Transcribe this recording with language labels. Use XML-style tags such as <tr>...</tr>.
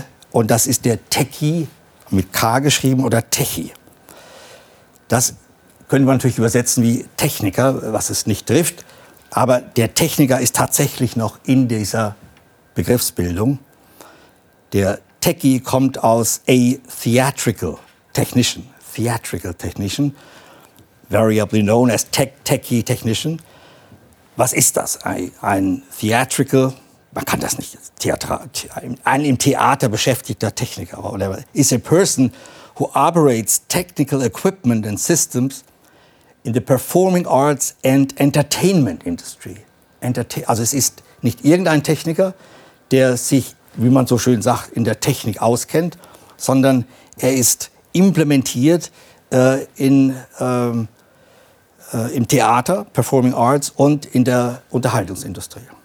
<de>Und das ist der Techie, mit K geschrieben, oder Techie. Das können wir natürlich übersetzen wie Techniker, was es nicht trifft. Aber der Techniker ist tatsächlich noch in dieser Begriffsbildung. Der Techie kommt aus A Theatrical Technician.</de> <en>Theatrical Technician, variably known as Techie Technician.</en> <de>Was ist das? Ein Theatrical, man kann das nicht, ein im Theater beschäftigter Techniker.</de> <en>Whatever, is a person who operates technical equipment and systems in the performing arts and entertainment industry.</en> <de>Also es ist nicht irgendein Techniker, der sich, wie man so schön sagt, in der Technik auskennt, sondern er ist implementiert im Theater, Performing Arts und in der Unterhaltungsindustrie.</de>